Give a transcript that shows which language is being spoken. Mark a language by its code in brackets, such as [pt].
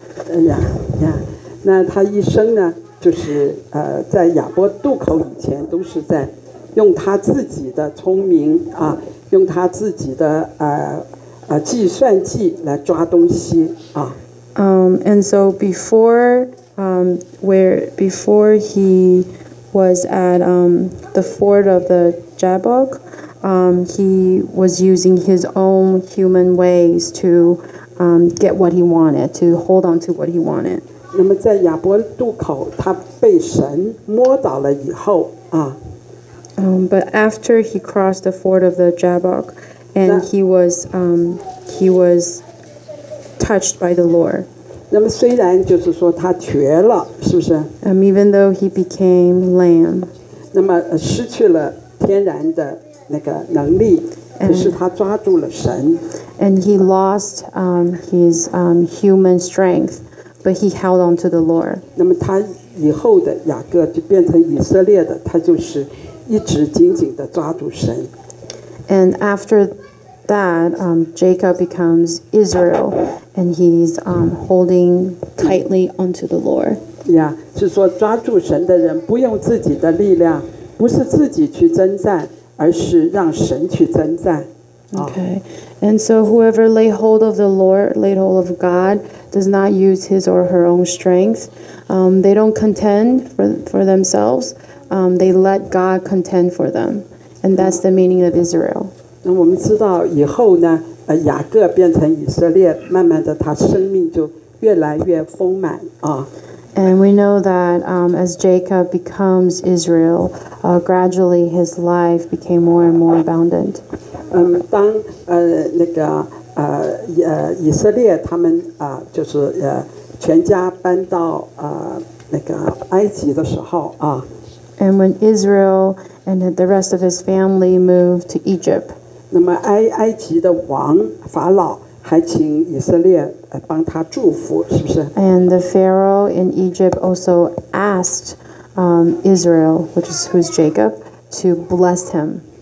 [en] Yeah, yeah. [zh] 那他一生呢，就是在亚伯渡口以前，都是在用他自己的聪明啊，用他自己的计算器来抓东西啊。 [en] And so before, before he was at the fort of the Jabbok, he was using his own human ways to get what he wanted, to hold on to what he wanted. [zh] 那么在亚伯渡口，他被神摸倒了以后啊。 [en] But after he crossed the fort of the Jabbok. And he was touched by the Lord. [zh] 那么虽然就是说他瘸了，是不是？ [en] Even though he became lame. [zh] 那么失去了天然的那个能力，可是他抓住了神。 [en] And he lost his human strength, but he held on to the Lord. [zh] 那么他以后的雅各就变成以色列的，他就是一直紧紧的抓住神。 [en] And after that, Jacob becomes Israel, and he's holding tightly onto the Lord. Yeah, [zh] 是说抓住神的人不用自己的力量，不是自己去征战，而是让神去征战。 [en] Okay, and so whoever lay hold of the Lord, laid hold of God, does not use his or her own strength. They don't contend for themselves. They let God contend for them. And that's the meaning of Israel. [zh] 那我们知道以后呢，雅各变成以色列，慢慢的他生命就越来越丰满啊。 [en] And we know that as Jacob becomes Israel, gradually his life became more and more abundant. [zh] 当那个以色列他们就是全家搬到那个埃及的时候啊。 [en] And when Israel and the rest of his family moved to Egypt. [zh] 那么埃及的王法老还请以色列帮他祝福，是不是？ [en] And the Pharaoh in Egypt also asked Israel, which is who's Jacob, to bless him.